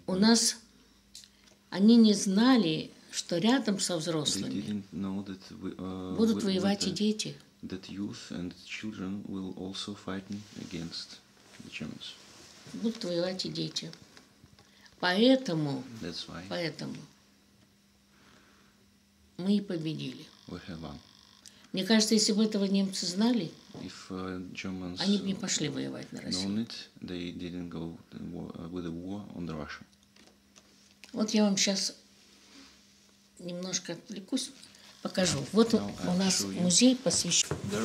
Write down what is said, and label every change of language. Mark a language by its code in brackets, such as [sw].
[ru] point. У нас они не знали, что рядом со взрослыми будут воевать и дети. [en] That youth and children will also fight against the Germans. [ru] Будут воевать и дети. Поэтому, [en] That's why. [ru] Поэтому мы и победили. [en] We have won. [ru] Мне кажется, если бы этого немцы знали, [en] If, Germans [ru] они бы не пошли воевать на Россию. [en] Known it, they didn't go with a war on the Russia. [ru] Вот я вам сейчас немножко отвлекусь. Покажу. Вот у нас музей посвящен.